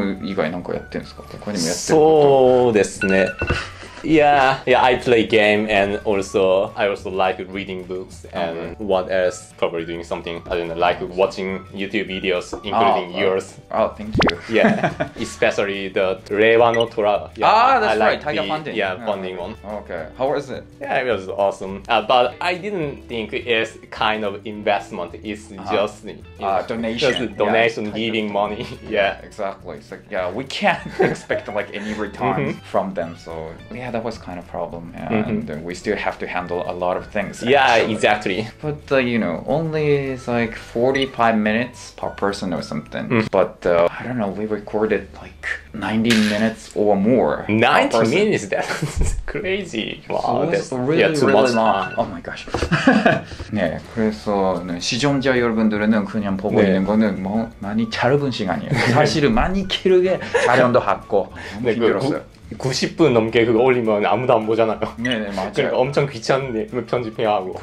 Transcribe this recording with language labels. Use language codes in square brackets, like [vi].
[ja] そうですね。でもまあ土日は休みですし、まあ全然ほぼまあ休んでる感じですね。はい。暇な時間ゲーム以外なんかやってるんですか？他にもやってる。そうですね。 [en] Yeah, yeah, I play game and also like reading books and what else? Probably doing something, I don't know, like watching YouTube videos, including yours. Oh, thank you. Yeah, especially the 令和 no Tora. Ah, that's right, Tiger Funding. Yeah, funding one. Okay, how was it? Yeah, it was awesome. But I didn't think it's kind of investment. It's just donation. Just donation, giving money. Yeah, exactly. It's like, yeah, we can't expect like any return from them, so... Yeah, that was kind of a problem, and we still have to handle a lot of things. Yeah, actually. Exactly. But, you know, only it's like 45 minutes per person or something. But, I don't know, we recorded like 90 minutes or more. 90 minutes? That's crazy. Wow, so that's really, yeah, too really much long. Time. Oh my gosh. [ko] 네, 그래서 네, 시청자 여러분들은 그냥 보고 네. 있는 거는 뭐 많이 짧은 시간이에요. 사실은 많이 길게 촬영도 하고 너무 네, 힘들었어요. 그, 90분 넘게 그거 올리면 아무도 안 보잖아요. 네네, 맞아요. 그러니까 엄청 귀찮은데 편집해야 하고.